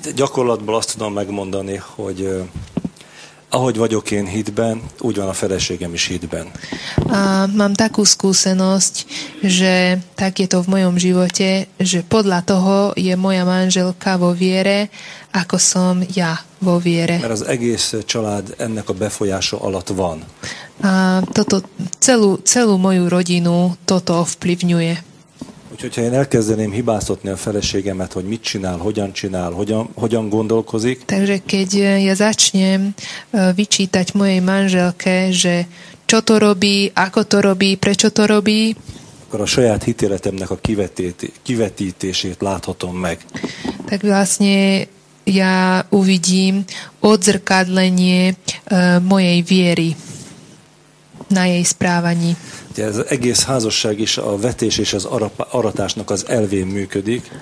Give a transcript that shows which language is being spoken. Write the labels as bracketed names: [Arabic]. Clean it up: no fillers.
[Hungarian] Gyakorlatból azt tudom megmondani, hogy ahogy vagyok én hitben, úgy van a feleségem is hitben. [Slovak] A mám takú skúsenosť, že tak je to v mojom živote, že podľa toho je moja manželka vo viere, ako som ja vo viere. [Hungarian] Mert az egész család ennek a befolyása alatt van. [Slovak] A toto celú moju rodinu toto ovplyvňuje. [Hungarian] Úgyhogy ha én elkezdeném hibáztatni a feleségemet, hogy mit csinál, hogyan gondolkozik. [Slovak] Takže keď ja začnem vyčítať mojej manželke, že čo to robí, ako to robí, prečo to robí, [Hungarian] akkor a saját hitéletemnek a kivetítését láthatom meg. [Slovak] Tak vlastne ja uvidím odzrkadlenie mojej viery na jej správaní. [Hungarian] Ez egész házasság is a vetés és az aratásnak az elvén működik.